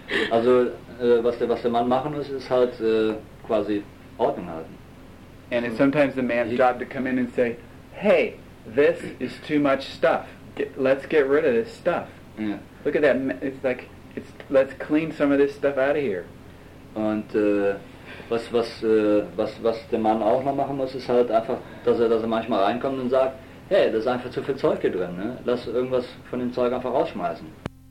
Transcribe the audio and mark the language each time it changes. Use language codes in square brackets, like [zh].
[de] Also, was der Mann machen muss, ist halt quasi Ordnung halten. [en] And it's sometimes the man's job to come in and say, "Hey, this is too much stuff. Let's get rid of this stuff. Yeah. Look at that. It's like let's clean some of this stuff out of here." [de] Und was der Mann auch noch machen muss, ist halt einfach, dass er manchmal reinkommt und sagt, hey, das ist einfach zu viel Zeug hier drin, ne? Lass irgendwas von dem Zeug einfach rausschmeißen.